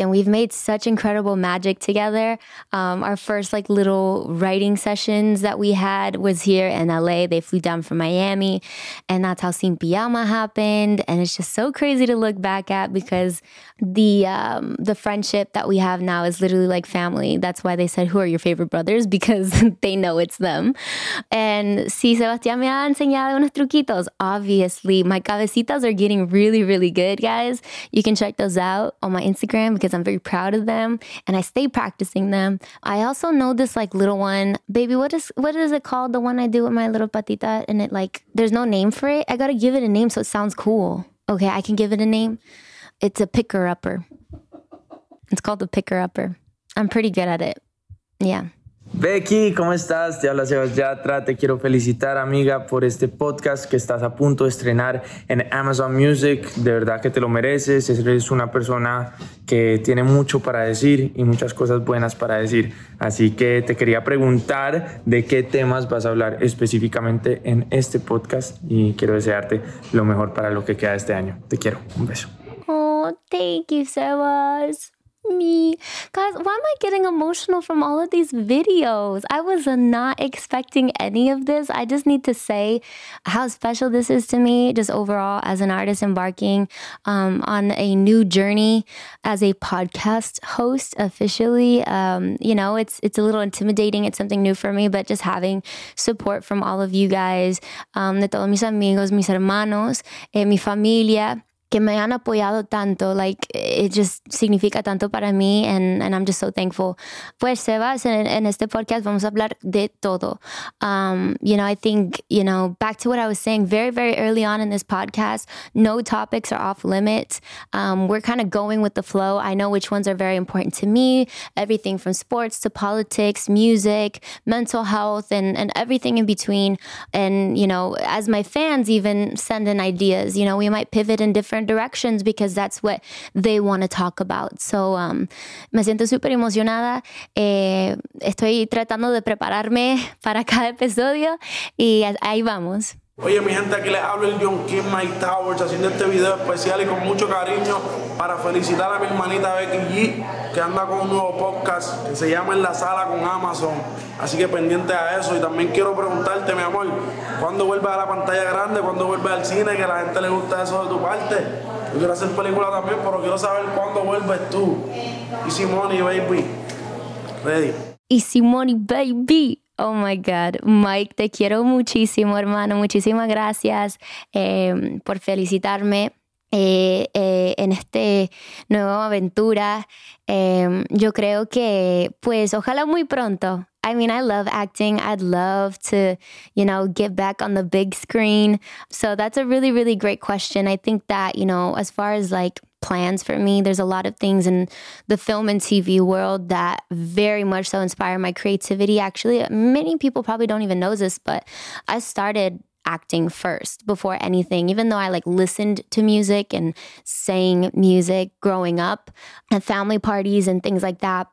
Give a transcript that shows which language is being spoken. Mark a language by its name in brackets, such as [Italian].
[English] And we've made such incredible magic together. Our first like little writing sessions that we had was here in LA. They flew down from Miami and that's how Sin Pijama happened. And it's just so crazy to look back at because the friendship that we have now is literally like family. That's why they said, who are your favorite brothers? Because they know it's them. [Spanish] And sí, Sebastián me ha enseñado unos truquitos. [English] Obviously, my cabecitas are getting really, really good, guys. You can check those out on my Instagram because I'm very proud of them. And I stay practicing them. I also know this like little one. Baby, what is it called? The one I do with my little patita? And it like, there's no name for it. I got to give it a name so it sounds cool. Okay, I can give it a name. It's a picker-upper. It's called the picker-upper. I'm pretty good at it. Yeah. [Spanish] Becky, ¿cómo estás? Te habla Sebas Yatra. Te quiero felicitar, amiga, por este podcast que estás a punto de estrenar en Amazon Music. De verdad que te lo mereces. Eres una persona que tiene mucho para decir y muchas cosas buenas para decir. Así que te quería preguntar de qué temas vas a hablar específicamente en este podcast y quiero desearte lo mejor para lo que queda este año. Te quiero. Un beso. [English] Oh, thank you, Sebas. Me. Guys, why am I getting emotional from all of these videos? I was not expecting any of this. I just need to say how special this is to me, just overall, as an artist embarking on a new journey as a podcast host officially. You know, it's a little intimidating. It's something new for me, but just having support from all of you guys, [Spanish] de todos mis amigos, mis hermanos, mi familia, que me han apoyado tanto, [English] like, it just [Spanish] significa tanto para mí, [English] and I'm just so thankful. [Spanish] Pues, Sebas, en este podcast vamos a hablar de todo. [English] You know, I think, you know, back to what I was saying very, very early on in this podcast, no topics are off limits. We're kind of going with the flow. I know which ones are very important to me, everything from sports to politics, music, mental health, and everything in between. And, you know, as my fans even send in ideas, you know, we might pivot in different directions because that's what they want to talk about. [Spanish] So me siento super emocionada. Estoy tratando de prepararme para cada episodio y ahí vamos. Oye, mi gente, aquí les hablo el John Kim Mike Towers haciendo este video especial y con mucho cariño para felicitar a mi hermanita Becky G, que anda con un nuevo podcast que se llama En la Sala con Amazon. Así que pendiente a eso. Y también quiero preguntarte, mi amor, ¿cuándo vuelves a la pantalla grande? ¿Cuándo vuelves al cine? Que a la gente le gusta eso de tu parte. Yo quiero hacer película también, pero quiero saber cuándo vuelves tú. [English] Easy Money, baby. Ready. Easy Money, baby. [Spanish] Oh my God, Mike, te quiero muchísimo, hermano. Muchísimas gracias por felicitarme en esta nueva aventura. Yo creo que, pues, ojalá muy pronto. [English] I mean, I love acting. I'd love to, you know, get back on the big screen. So that's a really, really great question. I think that, you know, as far as like plans for me, there's a lot of things in the film and TV world that very much so inspire my creativity. Actually, many people probably don't even know this, but I started acting first before anything, even though I like listened to music and sang music growing up at family parties and things like that.